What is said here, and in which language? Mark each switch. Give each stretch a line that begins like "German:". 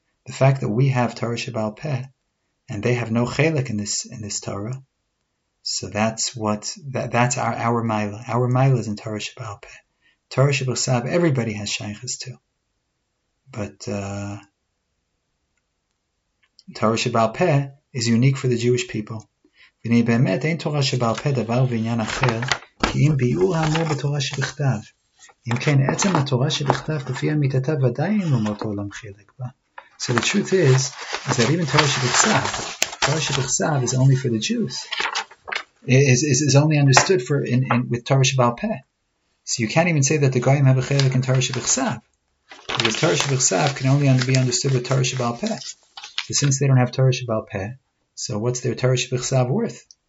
English: The fact that we have Torah Shebal Peh, and they have no chelek in this Torah, so that's our maila. Our maila is in Torah Shebal Peh. Torah Shebal Sab, everybody has shaychus too. But Torah Shebal Peh is unique for the Jewish people.
Hebrew: והנה באמת אין תורה שבעל פה דבר ועניין אחר, כי אם ביאור האמור בתורה שבכתב. אם כן, עצם התורה שבכתב כפי אמיתתה ודאי אין לאומות העולם חלק בה.
English: So the truth is that even תורה שבכתב, תורה שבכתב is only for the Jews. It is only understood for with תורה שבעל פה. So you can't even say that the goyim have a חלק in תורה שבכתב. Because תורה שבכתב can only be understood with תורה שבעל פה. But since they don't have תורה שבעל פה, so what's their Torah Shebichsav worth?